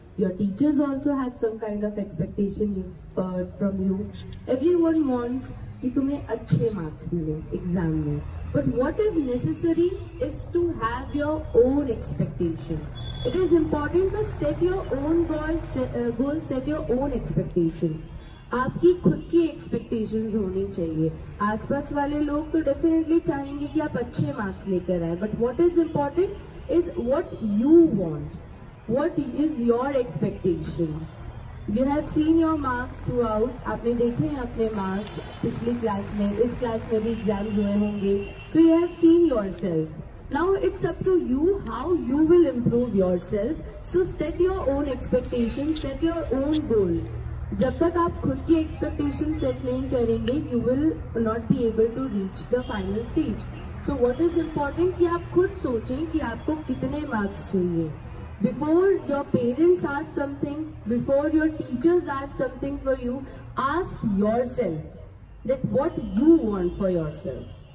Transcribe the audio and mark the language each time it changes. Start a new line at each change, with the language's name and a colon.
English: Your teachers also have some kind of expectation from you. Everyone wants
Hindi: ki tumhe achhe marks mile exam mein.
English: But what is necessary is to have your own expectation. It is important to set your own goal, set your own expectation.
Hindi: आपकी खुद की expectations होनी चाहिए. आसपास वाले लोग तो definitely चाहेंगे कि आप अच्छे मार्क्स लेकर आए,
English: But what is important is what you want, what is your expectation. You have seen your marks throughout,
Hindi: आपने देखे हैं अपने मार्क्स पिछली क्लास में, इस क्लास में भी एग्जाम हुए होंगे,
English: So you have seen yourself. Now it's up to you how you will improve yourself. So set your own expectation, set your own goal.
Hindi: जब तक आप खुद की एक्सपेक्टेशन सेट नहीं करेंगे,
English: You will not be able to reach the final seat. So what is important
Hindi: कि आप खुद सोचें कि आपको कितने मार्क्स चाहिए.
English: Before your parents ask something, before your teachers ask something for you, ask yourself that what you want for yourself.